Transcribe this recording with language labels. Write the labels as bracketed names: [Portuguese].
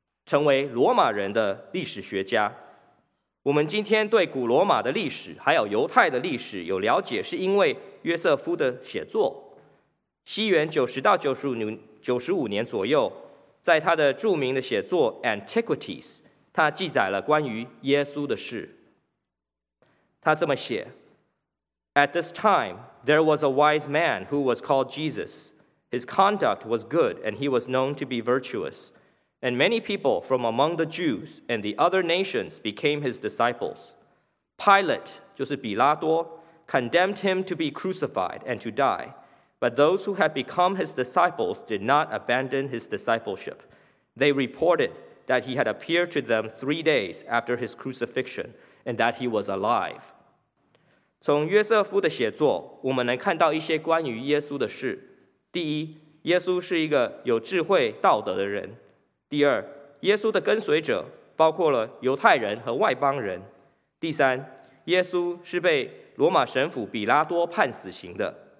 [Chinese] 成为罗马人的历史学家。我们今天对古罗马的历史还有犹太的历史有了解，是因为约瑟夫的写作。西元90到95年左右，在他的著名的写作 Antiquities， 他记载了关于耶稣的事。他这么写： [English] At this time, there was a wise man who was called Jesus. His conduct was good, and he was known to be virtuous. And many people from among the Jews and the other nations became his disciples. Pilate, [Chinese] 就是比拉多， [English] condemned him to be crucified and to die. But those who had become his disciples did not abandon his discipleship. They reported that he had appeared to them 3 days after his crucifixion and that he was alive. [Chinese] 从约瑟夫的写作，我们能看到一些关于耶稣的事。第一，耶稣是一个有智慧道德的人。第二，耶稣的跟随者包括了犹太人和外邦人。第三，耶稣是被罗马神父比拉多判死刑的。